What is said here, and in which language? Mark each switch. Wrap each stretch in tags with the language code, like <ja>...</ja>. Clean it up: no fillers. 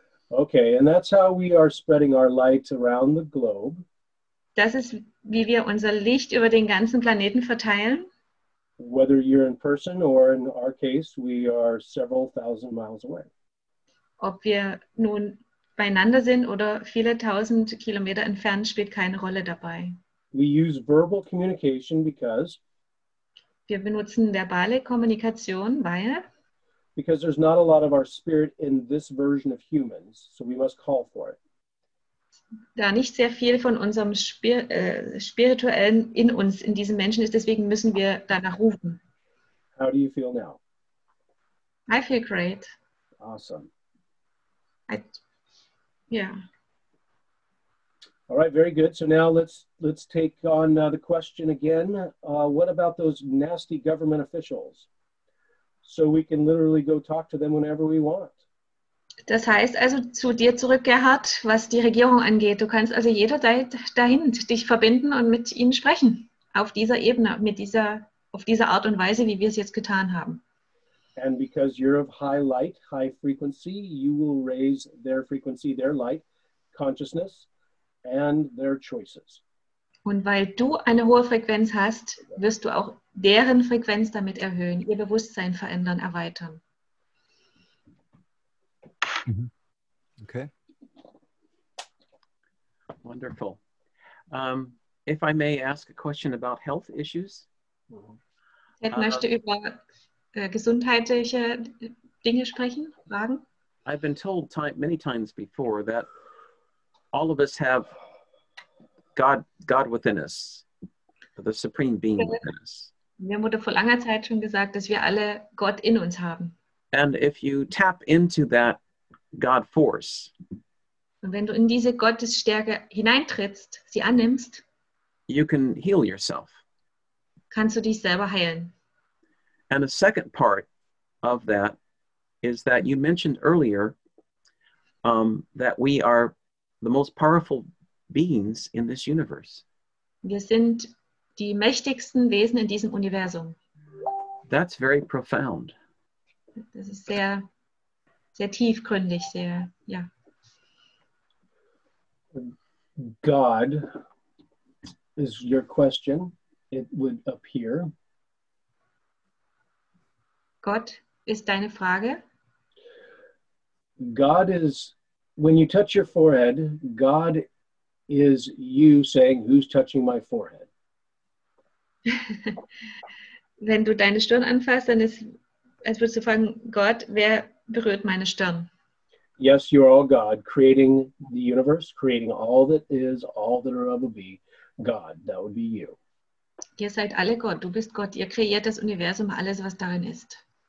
<en>Okay, and that's how we are spreading our light around the globe.</en> <de>Das ist, wie wir unser Licht über den ganzen Planeten verteilen.</de> <en>Whether you're in person or in our case, we are several thousand miles away.</en> <de>Ob wir nun beieinander sind oder viele tausend Kilometer entfernt, spielt keine Rolle dabei.</de> <en>We use verbal communication because</en> <de>wir benutzen verbale Kommunikation, weil</de> <en>because there's not a lot of our spirit in this version of humans, so we must call for it.</en> <de>da nicht sehr viel von unserem Spirituellen in uns, in diesen Menschen ist. Deswegen müssen wir danach rufen.</de> <en>How do you feel now? I feel great. Awesome. Yeah. All right, very good. So now let's take on the question again. What about those nasty government officials? So we can literally go talk to them whenever we want.</en> <de>Das heißt also zu dir zurück, Gerhard, was die Regierung angeht. Du kannst also jederzeit dahin dich verbinden und mit ihnen sprechen. Auf dieser Ebene, auf dieser Art und Weise, wie wir es jetzt getan haben.</de> <en>And because you're of high light, high frequency, you will raise their frequency, their light, consciousness, and their choices.</en> <de>Und weil du eine hohe Frequenz hast, wirst du auch deren Frequenz damit erhöhen, ihr Bewusstsein verändern, erweitern.</de> <en>Okay. Wonderful. If I may ask a question about health issues.</en> <de>Ed möchte über gesundheitliche Dinge sprechen, Fragen.</de> <en>I've been told many times before that all of us have God within us, the supreme being within us.</en> <de>Mir wurde vor langer Zeit schon gesagt, dass wir alle Gott in uns haben.</de> <en>And if you tap into that God force,</en> <de>und wenn du in diese Gottesstärke hineintrittst, sie annimmst,</de> <en>you can heal yourself.</en> <de>Kannst du dich selber heilen.</de> <en>And the second part of that is that you mentioned earlier that we are the most powerful beings in this universe.</en> <de>Wir sind die mächtigsten Wesen in diesem Universum.</de> <en>That's very profound.</en> <de>Das ist sehr, sehr tiefgründig, sehr, ja.</de> <en>God is your question, it would appear.</en> <de>Gott ist deine Frage.</de> <en>God is, when you touch your forehead, God is you saying, who's touching my forehead?</en> <de>Wenn du deine Stirn anfasst, dann ist, als würdest du fragen, Gott, wer berührt meine Stirn?</de> <en>Yes, you're all God, creating the universe, creating all that is, all that will ever be, God, that would be you.</en> <de>Ihr seid alle Gott, du bist Gott, ihr kreiert das Universum, alles, was darin ist.</de>